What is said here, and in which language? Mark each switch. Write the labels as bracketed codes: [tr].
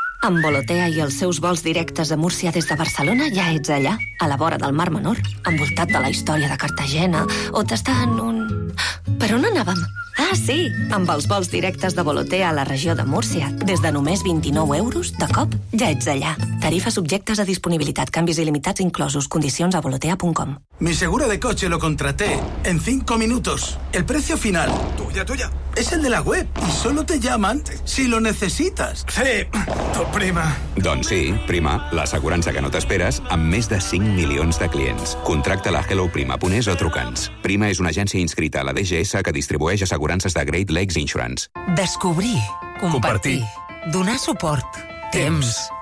[ca] Amb Volotea i els seus vols directes a Múrcia des de Barcelona ja ets allà, a la vora del Mar Menor, envoltat de la història de Cartagena, o t'està en un... Per on anàvem? Ah, sí! Amb els vols directes de Volotea a la regió de Múrcia, des de només 29 euros, de cop, ja ets allà. Tarifes subjectes a disponibilitat, canvis il·limitats inclosos, condicions a volotea.com. [es] Mi seguro de coche lo contraté en 5 minutos. El precio final... Tuya, tuya. Es el de la web. Y solo te llaman si lo necesitas. Sí, tu prima. [ca] Doncs sí, prima, l'assegurança que no t'esperes amb més de 5 milions de clients. Contracta la HelloPrima.es o truca'ns. Prima és una agència inscrita a la DGS que distribueix assegurances de Great Lakes Insurance. Descobrir. Compartir. Donar suport. Temps.